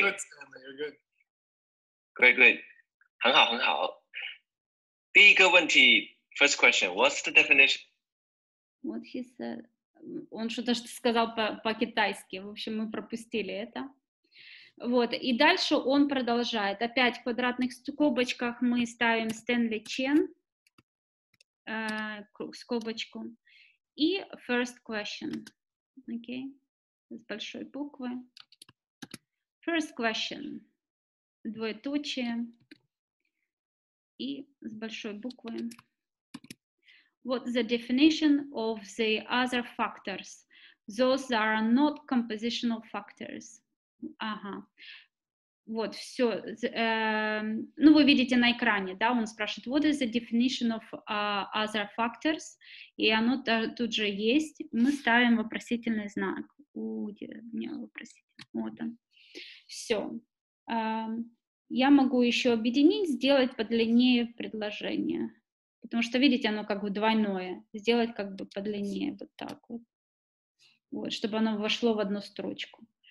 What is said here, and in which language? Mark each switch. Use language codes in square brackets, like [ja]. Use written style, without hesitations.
[en] Good, Stanley, you're good. Great, great. [zh] 很好,很好. 第一个问题, [en] first question. What's the definition? What he said. [ru] Он что-то сказал по-китайски. В общем, мы пропустили это. Вот, и дальше он продолжает. Опять в квадратных скобочках мы ставим Стэнли Чен, скобочку. И [en] first question, [ru] окей, с большой буквы. [en] First question, [ru] двоеточие, и с большой буквы. [en] What the definition of the other factors? Those are not compositional factors. [ru] Ага, вот, все, ну, вы видите на экране, да, он спрашивает, [en] what is the definition of other factors, [ru] и оно тут же есть, мы ставим вопросительный знак, вот он, все, я могу еще объединить, сделать подлиннее предложение, потому что, видите, оно как бы двойное, сделать как бы подлиннее, вот так вот, вот, чтобы оно вошло в одну строчку.